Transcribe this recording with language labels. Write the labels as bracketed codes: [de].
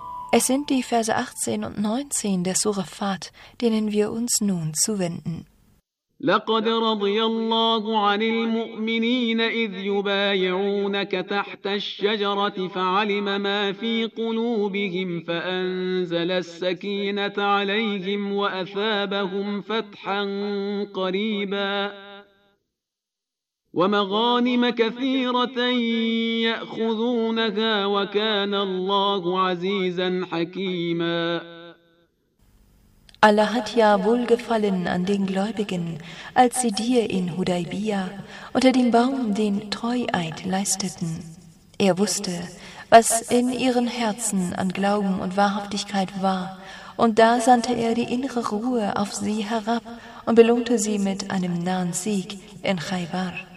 [de] Es sind die Verse 18 und 19 der Sure Fath, denen wir uns nun zuwenden. [ar] لقد رضي الله عن المؤمنين إذ يبايعونك تحت الشجرة فعلم ما في قلوبهم فأنزل السكينة عليهم وأثابهم فتحا قريبا ومغانم كثيرة يأخذونها وكان الله عزيزا حكيما. [de] Allah hat ja Wohlgefallen an den Gläubigen, als sie dir in Hudaybiyah unter dem Baum den Treueid leisteten. Er wusste, was in ihren Herzen an Glauben und Wahrhaftigkeit war, und da sandte er die innere Ruhe auf sie herab und belohnte sie mit einem nahen Sieg in Khaybar.